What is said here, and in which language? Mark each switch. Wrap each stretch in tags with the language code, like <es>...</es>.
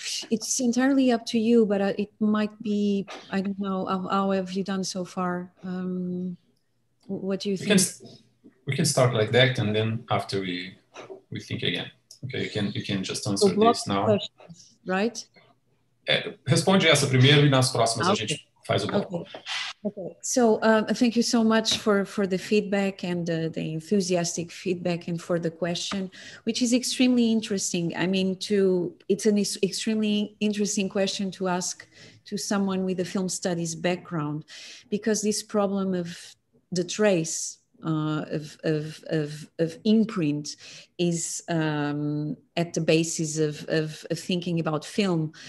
<en>It's entirely up to you, but it might be, I don't know, how have you done so far? What do you think? We can start like that, and then after we think again. Okay, you can just answer this now. Right?</en> <pt>Responde essa primeiro, e nas próximas a gente faz o bloco.</pt> <en>Okay. So thank you so much for the feedback and the enthusiastic feedback and for the question, which is extremely interesting. I mean, it's an extremely interesting question to ask to someone with a film studies background, because this problem of the trace of imprint is at the basis of thinking about film.</en>